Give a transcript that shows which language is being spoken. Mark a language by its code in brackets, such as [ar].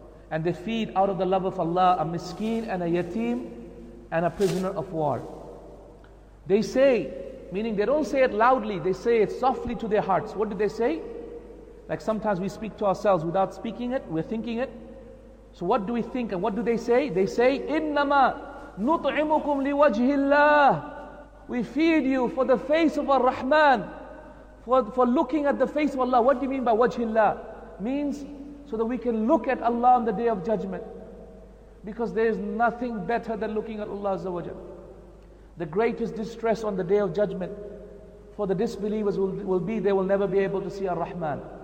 [en] And they feed out of the love of Allah a miskeen and a yatim and a prisoner of war. They say, meaning they don't say it loudly, they say it softly to their hearts. What do they say? Like sometimes we speak to ourselves without speaking it, we're thinking it. So what do we think and what do they say? They say, [ar] إِنَّمَا نُطْعِمُكُمْ لِوَجْهِ اللَّهِ. [en] We feed you for the face of Ar-Rahman, for looking at the face of Allah. What do you mean by وَجْهِ اللَّهِ? Means so that we can look at Allah on the Day of Judgment. Because there is nothing better than looking at Allah Azza wa Jal. The greatest distress on the Day of Judgment for the disbelievers will be they will never be able to see Ar-Rahman.